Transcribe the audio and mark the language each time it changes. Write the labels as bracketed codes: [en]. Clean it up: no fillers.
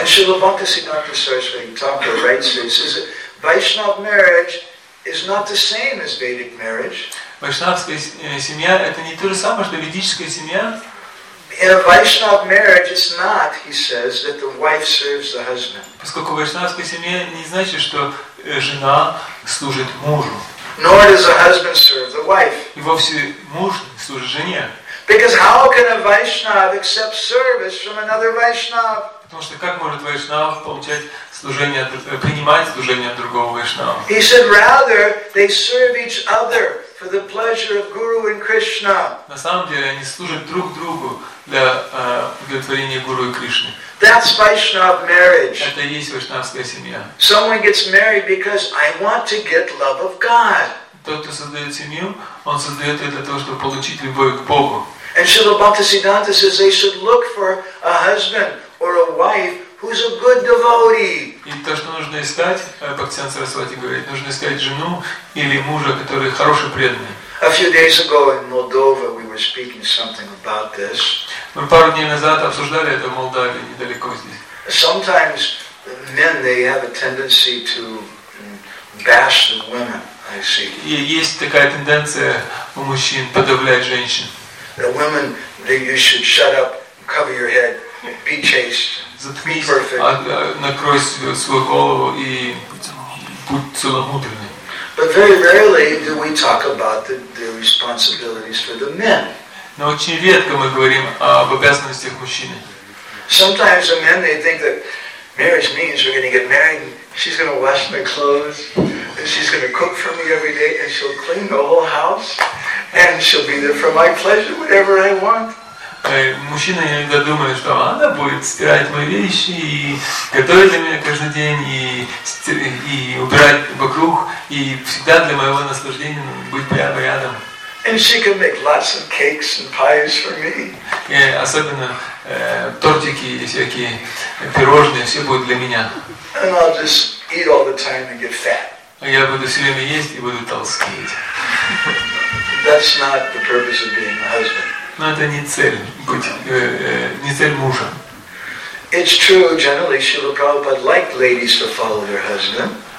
[en] And Srila Bhaktisiddhanta Saraswati Thakur writes this: is Vaishnav marriage is not the same as Vedic marriage. [ru] Вайшнавская семья это не то же самое, что ведическая семья. [en] In a Vaishnav marriage, it's not, he says, that the wife serves the husband. [ru] Поскольку вайшнавская семья не значит, что жена служит мужу. [en] Nor does the husband serve the wife. [ru] и вовсе муж служит жене. [en] Because how can a Vaishnava accept service from another Vaishnava? [ru] Потому что как может Вайшнав получать служение, принимать служение другого Вайшнава? [en] He said rather they serve each other for the pleasure of Guru and Krishna. [ru] На самом деле они служат друг другу для удовлетворения Гуру и Кришны. [en] That's Vaishnav marriage. [ru] Это и есть вайшнавская семья. [en] Someone gets married because I want to get love of God. [ru] Тот, кто создает семью, он создает это для того, чтобы получить любовь к Богу. [en] And Śrīla Bhaktisiddhānta says they should look for a husband or a wife who's a good devotee. [ru] И то, что нужно искать, Бхактисиддханта Сарасвати говорит, нужно искать жену или мужа, который хороший преданный. [en] A few days ago in Moldova we were speaking something about this. [ru] Мы пару дней назад обсуждали это в Молдове, недалеко здесь. [en] Sometimes men they have a tendency to bash the women. I see. [ru] Есть такая тенденция у мужчин подавлять женщин. [en] The women that you should shut up, cover your head, be chaste, be perfect. [ru] Накрой свою голову и будь целомудренной. [en] But very rarely do we talk about the responsibilities for the men. [ru] Но очень редко мы говорим об обязанностях мужчины. [en] Sometimes the men they think that marriage means we're going to get married. She's going to wash my clothes, and she's going to cook for me every day, and she'll clean the whole house, and she'll be there for my pleasure, whatever I want. [ru] Мужчины иногда думают, что она будет стирать мои вещи и готовить для меня каждый день и убирать вокруг и всегда для моего наслаждения быть прямо рядом. [en] And she can make lots of cakes and pies for me. [ru] Yeah, особенно тортики и всякие пирожные, все будет для меня. [en] And I'll just eat all the time and get fat. [ru] Я буду все время есть и буду толстеть. [en] That's not the purpose of being a husband. [ru] Но это не цель быть, не цель мужа. [en] It's true, generally, Śrīla Prabhupāda liked ladies to follow their husband.